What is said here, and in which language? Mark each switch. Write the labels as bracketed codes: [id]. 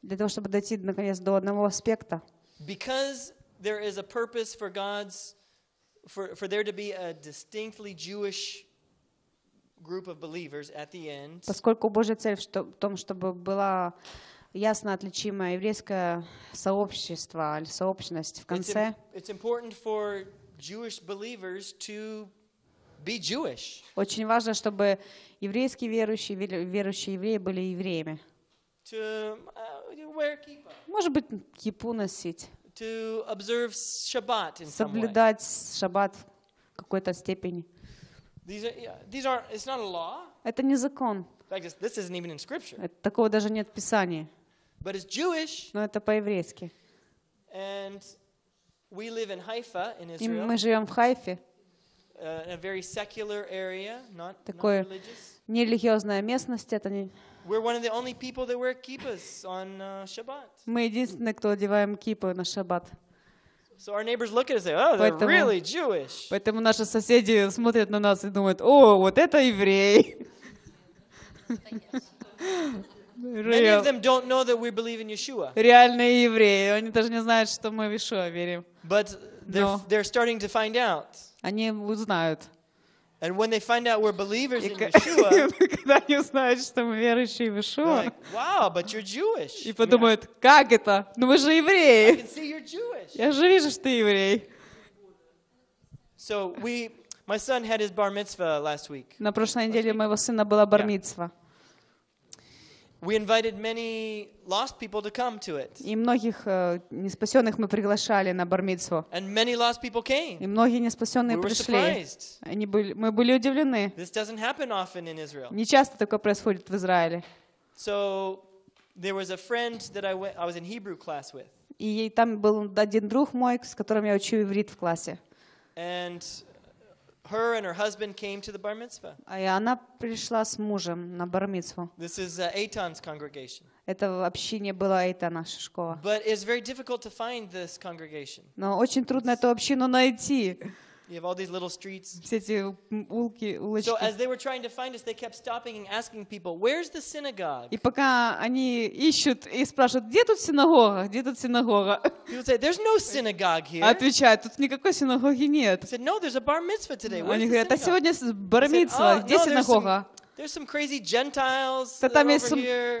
[ru] Для того, чтобы дойти наконец до одного аспекта. [en] Because there is a purpose for God's for there to be a distinctly Jewish group of believers at the end. [ru] Поскольку Божья цель в том, чтобы была ясно отличимое еврейское сообщество или сообщность в конце. [en] It's important for Jewish believers to be Jewish. [ru] Очень важно, чтобы еврейские верующие, верующие евреи были евреями. [en] To wear kippah. [ru] Может быть, кипу носить. [en] To observe Shabbat in some way. [ru] Соблюдать Шаббат в какой-то степени. [en] It's not a law. [ru] Это не закон. [en] This isn't even in Scripture. [ru] Такого даже нет в Писании. [en] But it's Jewish. [ru] Но это по-еврейски. [en] And we live in Haifa in Israel. [ru] И мы живем в Хайфе. [en] In a very secular area, not religious. [ru] Нерелигиозная местность, это не. [en] We're one of the only people that wear kippahs on Shabbat. [ru] Мы единственные, кто одеваем кипы на Шаббат. [en] So our neighbors look at us and say, "Oh, they're really Jewish." [ru] Поэтому наши соседи смотрят на нас и думают: "О, вот это еврей." [en] Many of them don't know that we believe in Yeshua. [ru] Реальные евреи, они даже не знают, что мы в Иешуа верим. [en] But they're starting to find out. [ru] Они узнают. [en] And when they find out we're believers in Yeshua, [ru] когда они узнают, что мы верующие в Иешуа, [en] wow, but you're Jewish. [ru] И подумают, как это? Ну вы же евреи. [en] I can see you're Jewish. [ru] Я же вижу, что ты еврей. [en] So my son had his bar mitzvah last week. [ru] На прошлой неделе у моего сына была бар мицва. [en] We invited many lost people to come to it. [ru] И многих неспасённых мы приглашали на бар-мицву. [en] And many lost people came. [ru] И многие неспасённые пришли. [en] We were surprised. [ru] Мы были удивлены. [en] This doesn't happen often in Israel. [ru] Не часто такое происходит в Израиле. [en] So there was a friend that I was in Hebrew class with. [ru] И там был один друг мой, с которым я учу иврит в классе. [en] Her and her husband came to the bar mitzvah. [ru] А она пришла с мужем на бар мицву. [en] This is Eitan's congregation. [ru] Это общине было Эйтана Шишкова. [en] But it's very difficult to find this congregation. [ru] Но очень трудно эту общину найти. [en] You have all these little streets. [ru] Все эти улки, улочки. [en] So as they were trying to find us, they kept stopping and asking people, "Where's the synagogue?" [ru] И пока они ищут и спрашивают, где тут синагога, где тут синагога? [en] People say, "There's no synagogue here." [ru] Отвечают, тут никакой синагоги нет. [en] Said, "No, there's a bar mitzvah today." [ru] Они говорят, а сегодня бар мицва, где синагога? [en] There's some crazy Gentiles over here.